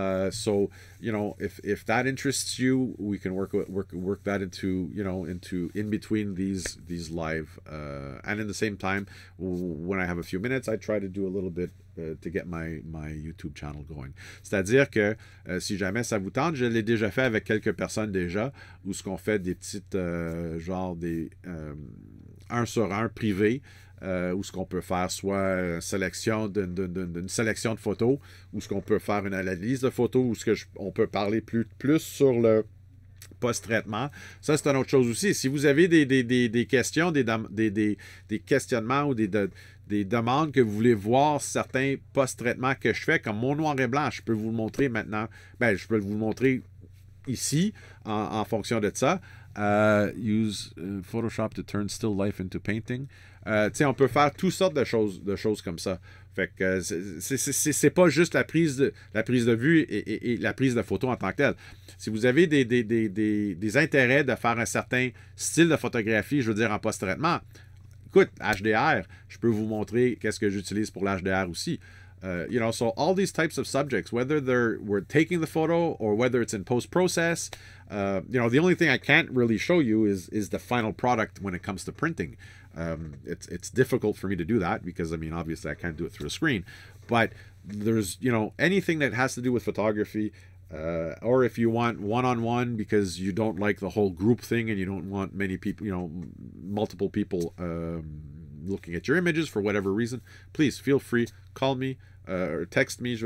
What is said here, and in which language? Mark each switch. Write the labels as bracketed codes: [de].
[en] So, if that interests you, we can work that into, into in between these live. And in the same time, when I have a few minutes, I try to do a little bit to get my YouTube channel going. [fr] C'est-à-dire que si jamais ça vous tente, je l'ai déjà fait avec quelques personnes déjà, où ce qu'on fait des petites, genre des un sur un privé. Où ce qu'on peut faire soit une sélection de photos, ou ce qu'on peut faire une analyse de photos, ou ce que on peut parler plus sur le post-traitement. Ça, c'est une autre chose aussi. Si vous avez des questions, des questionnements ou des demandes que vous voulez voir certains post-traitements que je fais, comme mon noir et blanc, je peux vous le montrer maintenant. Ben, je peux vous le montrer ici en fonction de ça. [en] Use Photoshop to turn still life into painting. [fr] Tu sais, on peut faire toutes sortes de choses comme ça. Fait que c'est pas juste la prise de vue et la prise de photo en tant que telle. Si vous avez des intérêts de faire un certain style de photographie, je veux dire en post-traitement, écoute, HDR, je peux vous montrer qu'est-ce que j'utilise pour l'HDR aussi. [en] So all these types of subjects, whether we're taking the photo or whether it's in post-process, the only thing I can't really show you is the final product when it comes to printing. It's difficult for me to do that because, I mean, obviously I can't do it through a screen. But there's, anything that has to do with photography, or if you want one-on-one because you don't like the whole group thing and you don't want many people, multiple people looking at your images for whatever reason, please feel free, call me or text me.